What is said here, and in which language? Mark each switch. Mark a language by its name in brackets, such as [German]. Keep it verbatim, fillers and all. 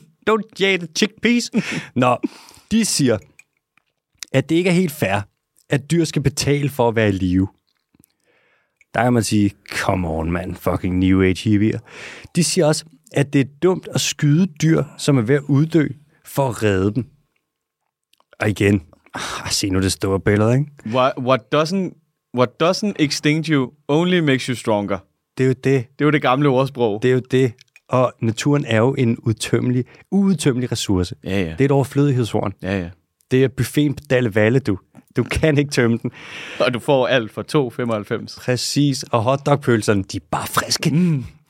[English] Don't [Danish] jage [English] the chickpeas. [Danish] Nå, de siger, at det ikke er helt fair, at dyr skal betale for at være i live. Der kan man sige, [English] come on, man, [Danish] fucking new age hippier. De siger også, at det er dumt at skyde dyr, som er ved at uddø, for at redde dem. Og igen, ah, se nu det store billede, ikke? [English] What, what, doesn't, what doesn't extinct you only makes you stronger. [Danish] Det er jo det. Det er jo det gamle ordsprog. Det er jo det. Og naturen er jo en udtømmelig, uudtømmelig ressource. Ja, ja. Det er et overflødighedshorn. Ja, ja. Det er buffeten på Dalle Valle, du. Du kan ikke tømme den. Og du får alt for to femoghalvfems. Præcis, og hotdogpølserne, de er bare friske. Mm.